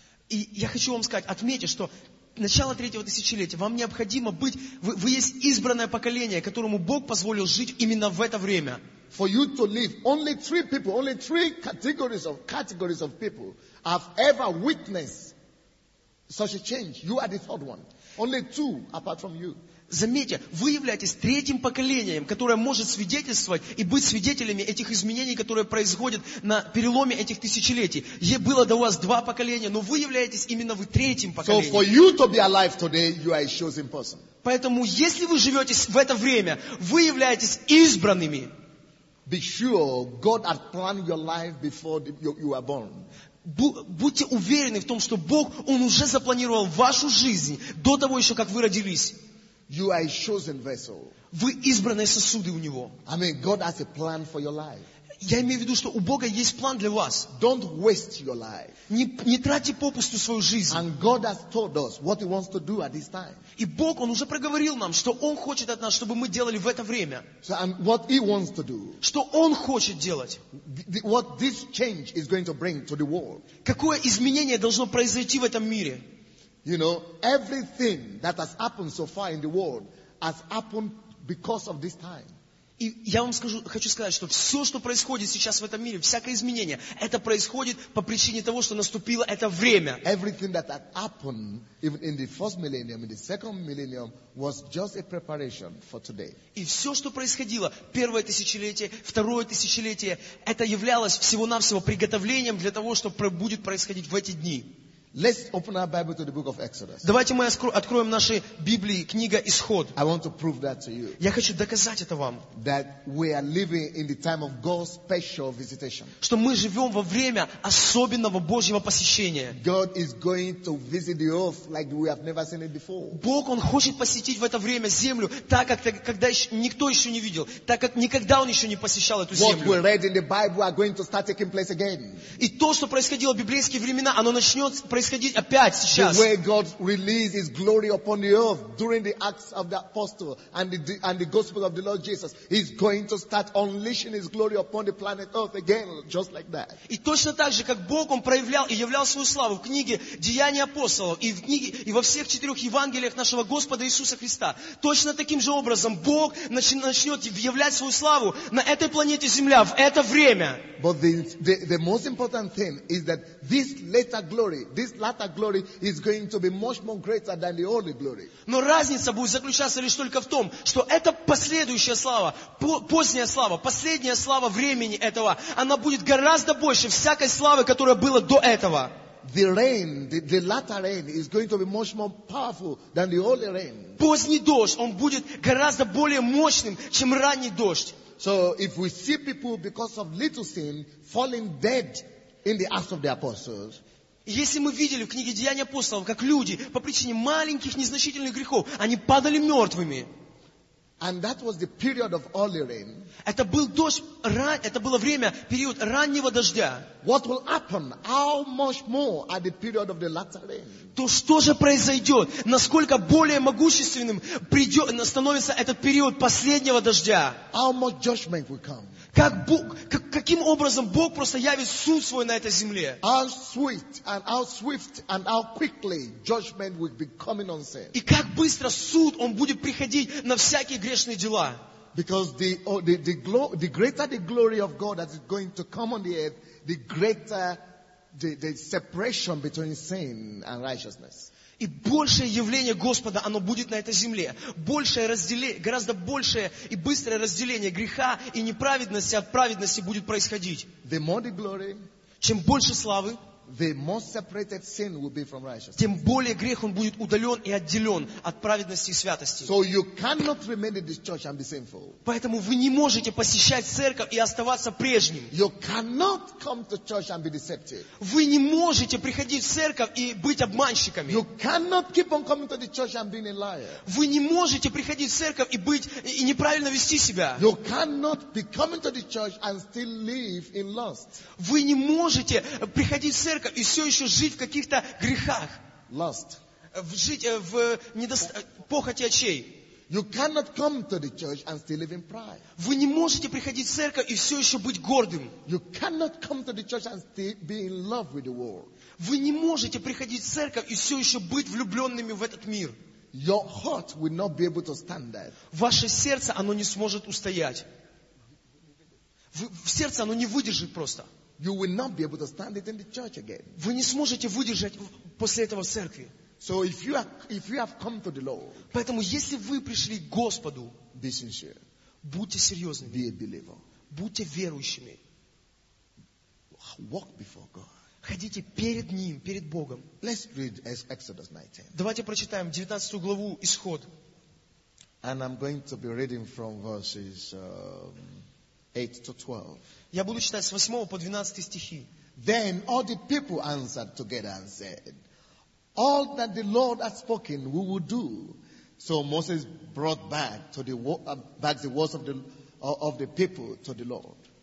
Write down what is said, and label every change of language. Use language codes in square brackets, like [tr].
[ru] И я хочу вам сказать, отметьте, что начало третьего тысячелетия, вам необходимо быть, вы есть избранное поколение, которому Бог позволил жить именно в это время. [en] For you to live, only three people, only three categories of people have ever witnessed such a change. You are the third one. Only two apart from you. [ru] Заметьте, вы являетесь третьим поколением, которое может свидетельствовать и быть свидетелями этих изменений, которые происходят на переломе этих тысячелетий. Было до вас два поколения, но вы являетесь именно вы третьим поколением. [en] So for you to be alive today, you are a chosen person. [ru] Поэтому, если вы живете в это время, вы являетесь избранными. [en] Be sure God had planned your life before you were born. [ru] Будьте уверены в том, что Бог, Он уже запланировал вашу жизнь до того еще, как вы родились. [en] You are a chosen vessel. [ru] Вы избранные сосуды у него. [en] God has a plan for your life. [ru] Я имею в виду, что у Бога есть план для вас. [en] Don't waste your life. [ru] Не тратьте попусту свою жизнь. [en] And God has told us what He wants to do at this time. [ru] И Бог, Он уже проговорил нам, что Он хочет от нас, чтобы мы делали в это время. [en] So, and what He wants to do. [ru] Что Он хочет делать. [en] What this change is going to bring to the world. [ru] Какое изменение должно произойти в этом мире? [en] You know, everything that has happened so far in the world has happened because of this time. [ru] И я вам скажу, хочу сказать, что все, что происходит сейчас в этом мире, всякое изменение, это происходит по причине того, что наступило это время. [en] Everything that had happened, even in the first millennium, in the second millennium, was just a preparation for today. [ru] И все, что происходило первое тысячелетие, второе тысячелетие, это являлось всего-навсего приготовлением для того, что будет происходить в эти дни. [en] Let's open our Bible to the book of Exodus. [ru] Давайте мы откроем наши Библии, книга Исход. [en] I want to prove that to you. [ru] Я хочу доказать это вам. [en] That we are living in the time of God's special visitation. [ru] Что мы живем во время особенного Божьего посещения. [en] God is going to visit the earth like we have never seen it before. [ru] Бог, он хочет посетить в это время землю, так как когда никто еще не видел, так как никогда он еще не посещал эту землю. [en] What we read in the Bible are going to start taking place again. [ru] И то, что происходило в библейские времена, оно начнет происходить опять сейчас. [en] The way God released His glory upon the earth during the Acts of the Apostle and the Gospel of the Lord Jesus, He's going to start unleashing His glory upon the planet Earth again, just like that. [ru] И точно так же, как Бог, Он проявлял и являл свою славу в книге Деяний апостолов и в книге и во всех четырех Евангелиях нашего Господа Иисуса Христа. Точно таким же образом Бог начнет являть свою славу на этой планете Земля в это время. [en] But the most important thing is that this latter glory is going to be much more greater than the only glory. [ru] Но разница будет заключаться лишь только в том, что эта последующая слава, поздняя слава, последняя слава времени этого, она будет гораздо больше всякой славы, которая была до этого. [en] The rain, the latter rain is going to be much more powerful than the early rain. [ru] Поздний дождь, он будет гораздо более мощным, чем ранний дождь. [en] So if we see people because of little sin falling dead in the Acts of the Apostles, [ru] если мы видели в книге Деяний апостолов, как люди по причине маленьких незначительных грехов, они падали мертвыми. [en] And that was the period of early rain. [ru] Это был дождь, это было время, период раннего дождя. [en] What will happen? How much more at the period of the latter rain? [ru] То что же произойдет? Насколько более могущественным становится этот период последнего дождя? [en] How much judgment will come? [ru] Как Бог, каким образом Бог просто явит суд свой на этой земле? [en] How sweet and how swift and how quickly judgment will be coming on sin. [ru] И как быстро суд он будет приходить на всякие грешные дела? [en] Because the greater the glory of God that is going to come on the earth, the greater the separation between sin and righteousness. [ru] И большее явление Господа, оно будет на этой земле. Большее разделение, гораздо большее и быстрое разделение греха и неправедности от праведности будет происходить. [en] The more the glory, [ru] чем больше славы, [en] the more separated sin will be from righteousness. [ru] Тем более грех он будет удален и отделен от праведности и святости. [en] So you cannot remain in this church and be sinful. [ru] Поэтому вы не можете посещать церковь и оставаться прежним. [en] You cannot come to church and be deceptive. [ru] Вы не можете приходить в церковь и быть обманщиками. [en] You cannot keep on coming to the church and being a liar. [ru] Вы не можете приходить в церковь и быть и неправильно вести себя. [en] You cannot be coming to the church and still live in lust. [ru] Вы не можете приходить в церковь и все еще жить в каких-то грехах. [en] Lust. [ru] Жить в похоти очей. [en] You cannot come to the church and still live in pride. [ru] Вы не можете приходить в церковь и все еще быть гордым. [en] You cannot come to the church and still be in love with the world. [ru] Вы не можете приходить в церковь и все еще быть влюбленными в этот мир. [en] Your heart will not be able to stand that. [ru] Ваше сердце, оно не сможет устоять. В сердце оно не выдержит просто. [en] You will not be able to stand it in the church again. [ru] Вы не сможете выдержать после этого в церкви. [en] So if you have come to the Lord, [ru] поэтому если вы пришли к Господу, [en] be sincere, [ru] будьте серьезными, [en] be a believer, [ru] будьте верующими, [en] walk before God. [ru] Ходите перед Ним, перед Богом. [en] Let's read Exodus 19. [ru] Давайте прочитаем 19 главу Исход. [en] And I'm going to be reading from verses 8 to 12. [ru] Я буду читать с 8 по 12 стихи. [en] Then all the people answered together and said, all that the Lord has spoken we will do. So Moses brought back to the back the words of the people to the Lord.